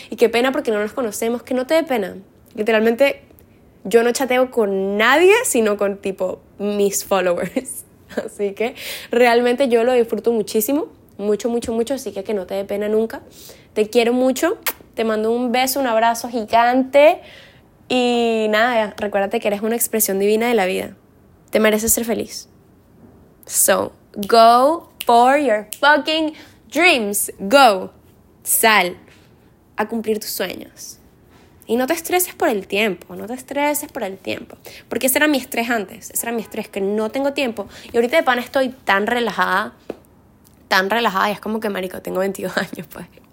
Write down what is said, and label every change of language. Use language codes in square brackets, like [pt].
[es] Y qué pena porque no nos conocemos. Que no te dé pena. Literalmente, yo no chateo con nadie, sino con tipo mis followers. Así que realmente yo lo disfruto muchísimo. Mucho, mucho, mucho. Así que no te dé pena nunca. Te quiero mucho. Te mando un beso, un abrazo gigante. Y nada, recuérdate que eres una expresión divina de la vida. Te mereces ser feliz. [en] So, go for your fucking dreams. Go. [es] Sal a cumplir tus sueños. Y no te estreses por el tiempo. No te estreses por el tiempo. Porque ese era mi estrés antes. Ese era mi estrés, que no tengo tiempo. Y ahorita de pana estoy tan relajada. Tan relajada. Y es como que, marico, tengo 22 años, pues.